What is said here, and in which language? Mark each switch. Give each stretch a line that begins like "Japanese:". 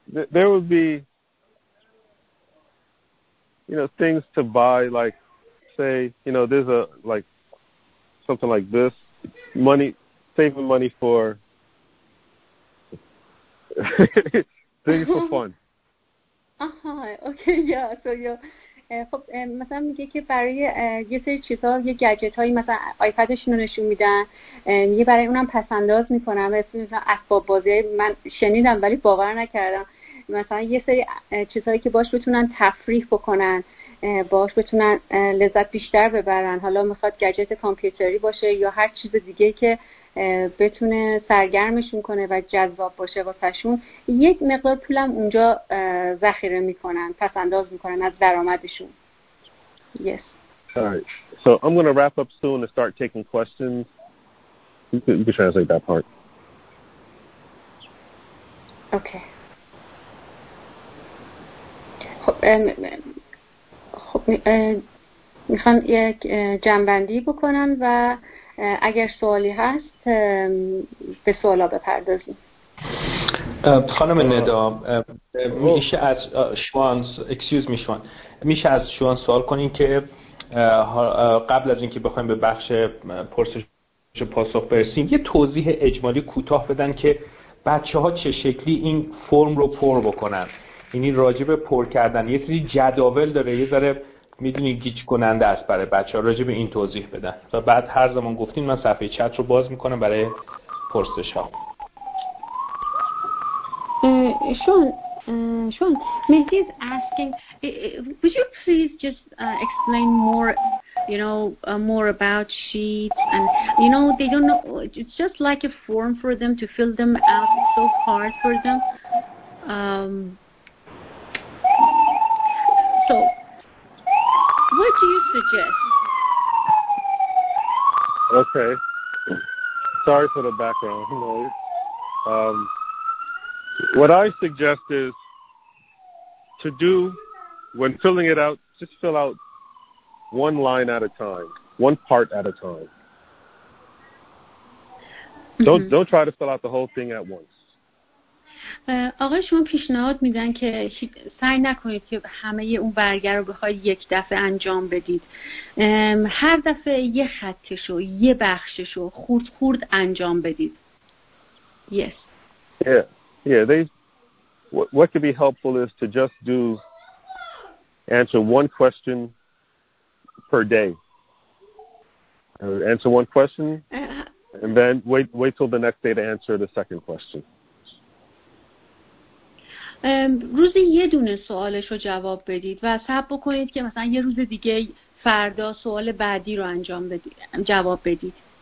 English: There would be, you know, things to buy, like, say, you know, there's a, like, something like this, money, saving money for things for fun. Okay, yeah, so
Persian: خب مثلا میگه که برای یه سری چیزها، یه گجت هایی مثلا آیپدشون رو نشون میدن، میگه برای اونم پسنداز میکنم. مثلا اسباب بازی من شنیدم ولی باور نکردم، مثلا یه سری چیزهایی که باش بتونن تفریح بکنن، باش بتونن لذت بیشتر ببرن، حالا میخواد گجت کامپیوتری باشه یا هر چیز دیگه که بتونه سرگرمشون کنه و جذاب باشه واسه شون، یک مقدار پولم اونجا ذخیره میکنن، پس انداز میکنن از درآمدشون.
English: Yes. Alright. So I'm going to wrap up soon and start taking questions. You can translate that part. Okay.
Persian: خب میخوام یک جنبندی بکنم و اگر سوالی هست به سوالا بپردازیم. خانم ندا، میشه از شوان میشه از شوان سوال کنین که قبل از اینکه بخوایم به بخش پرسش پاسخ برسیم یه توضیح اجمالی کوتاه بدن که بچه‌ها چه شکلی این فرم رو پر بکنن؟ یعنی راجب پر کردن یه سری جداول داره، یه ذره میدونی گیج کننده است برای بچه‌ها، راجب این توضیح بدن و بعد هر زمان گفتین من صفحه چت رو باز میکنم برای پرسش‌ها.
English: Sean, Mehdi is asking, would you please just explain more, you know, more about sheets? And, you know, they don't know, it's just like a form for them to fill them out. It's so hard for them. So, what do you suggest? Okay. Sorry for the background noise. What I suggest is to do, when filling it out, just fill out one line at a time, one part at a time. Don't try to fill out the whole thing at once.
Persian: آقای شما پیشنهاد میدن که سعی نکنید که همه اون برگه رو بخواید یک دفعه انجام بدید. هر دفعه یه خطشو، یه بخششو خورد خورد انجام بدید.
English: Yes. Yeah. Yeah, they. What could be helpful is to just do. Answer one question. Per day. Answer one question, and then wait till the next day to answer the second question.
Persian: روزی یه دونه سوالشو جواب بدید و صبر بکنید که مثلا یه روز دیگه فردا سوال بعدی رو انجام بدید، جواب بدید.